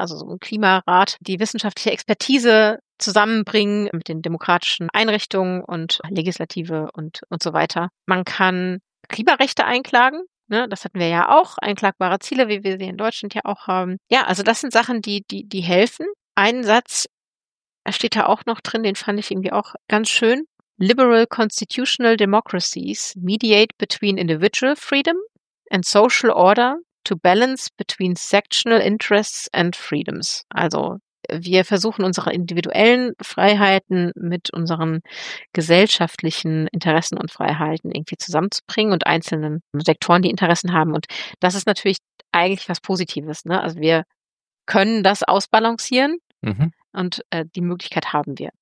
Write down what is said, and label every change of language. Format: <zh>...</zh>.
<de>Also so ein Klimarat, die wissenschaftliche Expertise zusammenbringen mit den demokratischen Einrichtungen und Legislative und so weiter. Man kann Klimarechte einklagen. Ne, das hatten wir ja auch, einklagbare Ziele, wie wir sie in Deutschland ja auch haben. Ja, also das sind Sachen, die helfen. Ein Satz steht da auch noch drin, den fand ich irgendwie auch ganz schön.</de> <en>Liberal constitutional democracies mediate between individual freedom and social order to balance between sectional interests and freedoms.</en> <de>Also wir versuchen unsere individuellen Freiheiten mit unseren gesellschaftlichen Interessen und Freiheiten irgendwie zusammenzubringen und einzelnen Sektoren, die Interessen haben. Und das ist natürlich eigentlich was Positives, ne? Also wir können das ausbalancieren und die Möglichkeit haben wir.</de>